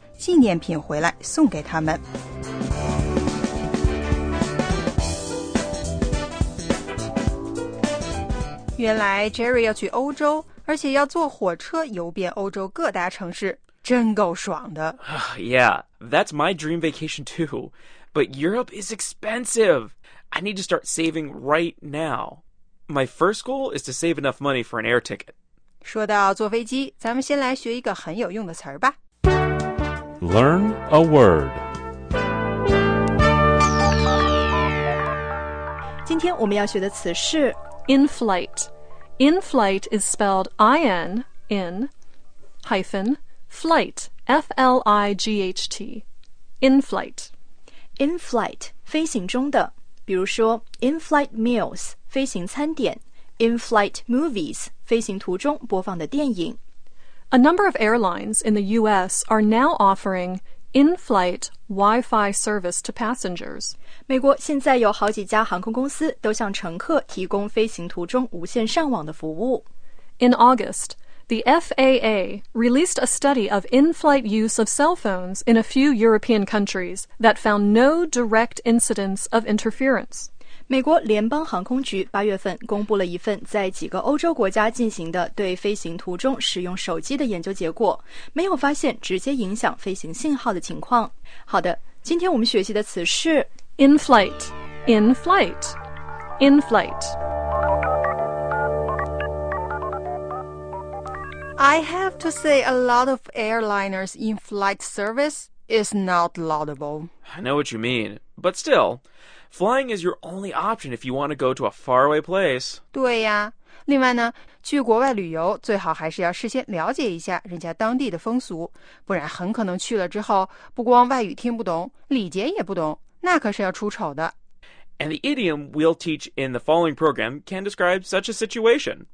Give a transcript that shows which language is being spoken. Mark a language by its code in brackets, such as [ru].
[zh] 纪念品回来送给他们。原来 Jerry 要去欧洲，而且要坐火车游遍欧洲各大城市，真够爽的。 [en] Yeah, that's my dream vacation too. But Europe is expensive. I need to start saving right now. My first goal is to save enough money for an air ticket. [zh] 说到坐飞机，咱们先来学一个很有用的词儿吧。 [en] Learn a word. [zh] 今天我们要学的词是 [en] In flight. In flight is spelled I-N, in, hyphen, flight, F-L-I-G-H-T. In flight. In flight, [zh] 飞行中的。比如说 [en] in flight meals, [zh] 飞行餐点 [en] in flight movies, [zh] 飞行途中播放的电影。 [en] A number of airlines in the U.S. are now offering in flight Wi-Fi service to passengers. [zh] 美国现在有好几家航空公司都向乘客提供飞行途中无线上网的服务。 [en] In August, the FAA released a study of in-flight use of cell phones in a few European countries that found no direct incidents of interference. [zh] 美国联邦航空局八月份公布了一份在几个欧洲国家进行的对飞行途中使用手机的研究结果，没有发现直接影响飞行信号的情况。好的，今天我们学习的词是 [en] In flight, in flight, in flight. I have to say a lot of airliners in flight service is not laudable. I know what you mean, but still, flying is your only option if you want to go to a faraway place. [zh] 对呀，另外呢，去国外旅游最好还是要事先了解一下人家当地的风俗，不然很可能去了之后，不光外语听不懂，礼节也不懂。那可是要出丑的。 [en] And the idiom we'll teach in the following program can describe such a situation.